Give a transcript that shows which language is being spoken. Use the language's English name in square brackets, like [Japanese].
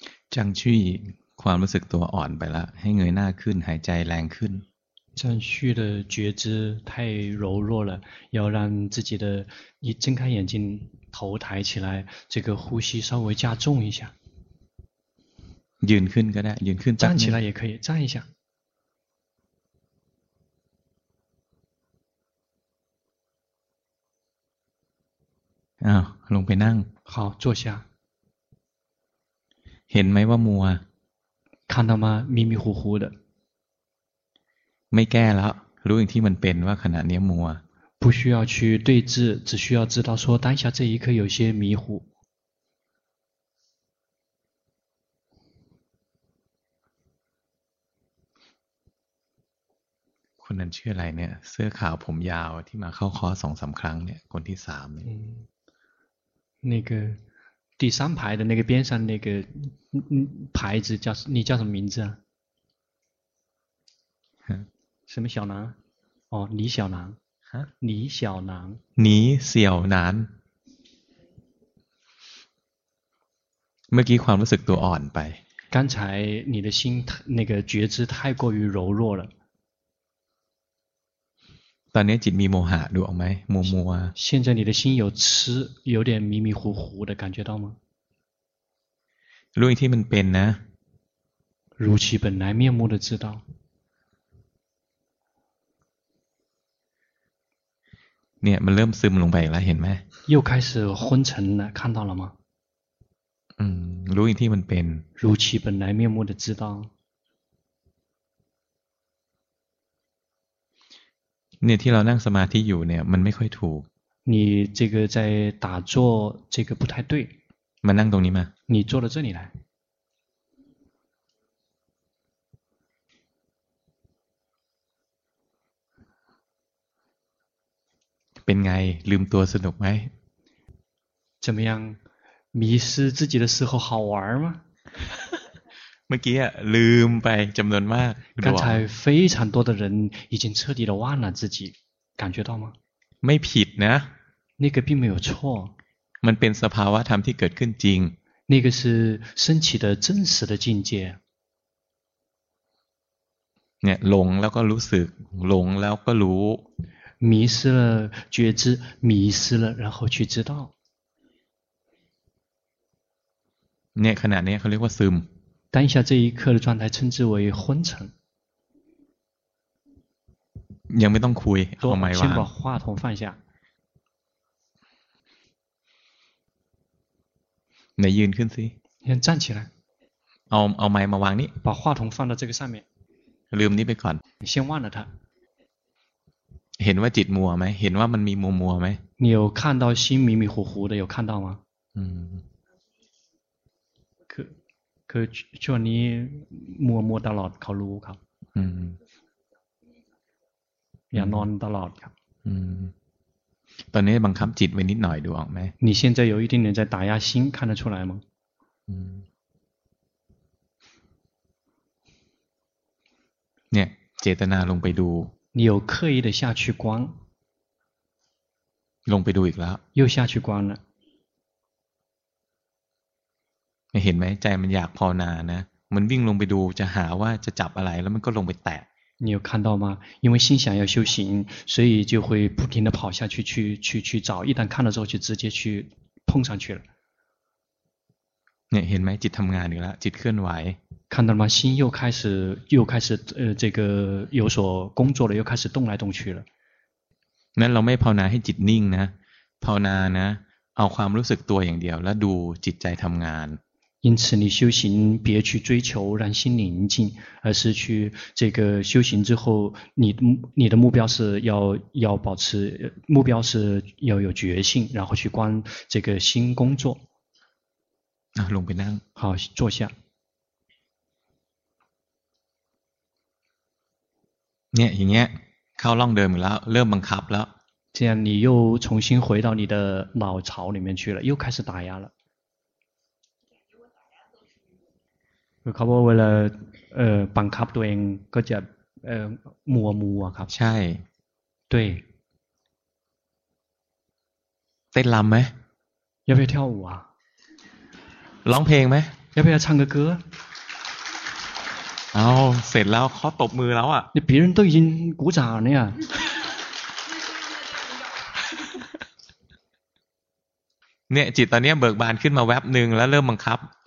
[Thai] 将去ความรู้สึกตัวอ่อนไปละให้เงยหน้าขึ้นหายใจแรงขึ้น [Chinese] 将去的觉知太柔弱了要让自己的一睁开眼睛头抬起来这个呼吸稍微加重一下 [Thai] ยืนขึ้นก็ได้ยืนขึ้น [Chinese] จับ站起来也可以站一下 [Thai] ลงไปนั่ง [Chinese] 好坐下 [Thai] เห็นไหมว่ามัว [Chinese] 看到吗迷迷糊糊的 [Thai] ไม่แก้แล้วรู้อย่างที่มันเป็นว่าขณะนี้มัว [Chinese] 不需要去对峙只需要知道说当下这一刻有些迷糊 [Thai] คนนั้นชื่ออะไรเนี่ยเสื้อขาวผมยาวที่มาเข้าคอร์ส 2-3 ครั้งเนี่ยคนที่3เนี่ย [Chinese] 第三排的那个边上那个牌子叫你叫什么名字啊？什么小南？哦，李小南。李小南。李小南。 [Thai] เมื่อกี้ความรู้สึกตัวอ่อนไป。 [Chinese] 刚才你的心那个觉知太过于柔弱了。 [Thai] ตอนนี้จิตมีโมหะดูออกไหมมัว [Chinese] ๆ现在你的心有痴，有点迷迷糊糊的感觉到吗？ [Thai] รู้อย่างที่มันเป็นนะ [Chinese] รู้其本来面目的知道 [Thai] เนี่ยมันเริ่มซึมลงไปแล้วเห็นไหม [Chinese] 又开始昏沉了看到了吗 [Thai] รู้อย่างที่มันเป็น [Chinese] รู้其本来面目的知道 [Thai] เนี่ยที่เรานั่งสมาธิอยู่เนี่ยมันไม่ค่อยถูก [Chinese] 你这个在打坐这个不太对 [Thai] มานั่งตรงนี้มา [Chinese] 你坐到这里来 [Thai] เป็นไงลืมตัวสนุกไหม [Chinese] 怎么样迷失自己的时候好玩吗 [Thai] เมื่อกี้ลืมไปจำนวนมาก [Chinese] 刚才非常多的人已经彻底的忘了自己感觉到吗 [Thai] ไม่ผิดนะ [Chinese] 那个并没有错 [Thai] มันเป็นสภาวะธรรมที่เกิดขึ้นจริง [Chinese] 那个是升起的真实的境界 [Thai] เนี่ยหลงแล้วก็รู้สึกหลงแล้วก็รู้ [Chinese] 迷失了觉知迷失了然后去知道 [Thai] เนี่ยขณะนี้เขาเรียกว่าซึม [Chinese] 当下这一刻的状态称之为昏沉 [Thai] ยังไม่ต้องคุยเอาไมค์วาง [Chinese] 先把话筒放下 [Thai] ไหนยืนขึ้นสิ [Chinese] 先站起来 [Thai] เอาไมค์มาวางนี้ [Chinese] 把话筒放到这个上面 [Thai] ลืมนี้ไปก่อน [Chinese] 先忘了它 [Thai] เห็นว่าจิตมัวไหมเห็นว่ามันมีมัวไหม [Chinese] 你有看到心迷迷糊糊的有看到吗 [Thai] คือช่วงนี้มัวตลอดเขารู้ครับอย่านอนตลอดครับ ตอนนี้บังคับจิตไว้นิดหน่อยดูออกไหม [Chinese] 你现在有一点点在打压心看得出来吗 [Thai] เนี่ยเจตนาลงไปดู [Chinese] 你有刻意的下去观 [Thai] ลงไปดูอีกแล้ว [Chinese] 又下去观了 [Thai] เห็นไหมใจมันอยากภาวนานะมันวิ่งลงไปดูจะหาว่าจะจับอะไรแล้วมันก็ลงไปแตะ [Chinese] 你有看到吗因为心想要修行所以就会不停地跑下去去找一旦看到之后就直接去碰上去了 [Thai] เนี่ยเห็นไหมจิตทำงานอยู่แล้วจิตเคลื่อนไหว [Chinese] 看到吗心又开始这个有所工作了又开始动来动去了 [Thai] นั้นเราไม่ภาวนาให้จิตนิ่งนะภาวนานะเอาความรู้สึกตัวอย่างเดียวแล้วดูจิตใจทำงาน [Chinese] 因此你修行别去追求让心宁静而是去这个修行之后你的目标是要保持目标是要有觉性然后去观这个心工作啊龙平安好坐下 [Thai] เนี่ยอย่างเงี้ยเข้าร่องเดิมแล้วเริ่มบังคับแล้ว [Chinese] 这样你又重新回到你的老巢里面去了又开始打压了 [Thai] เขาบอกเวลาบังคับตัวเองก็จะมัวครับ ใช่ด้วย เต้นรำไหม [Chinese] 要不要跳舞啊 [Thai] ร้องเพลงไหม [Chinese] 要不要唱个歌 [Thai] เอาเสร็จแล้วเขาตบมือแล้วอ่ะ [Chinese] 你别人都已经鼓掌了เนี่ย [Thai] เนี่ยจิตตอนนี้เบิกบานขึ้นมาแวบหนึ่งแล้วเริ่มบังคับ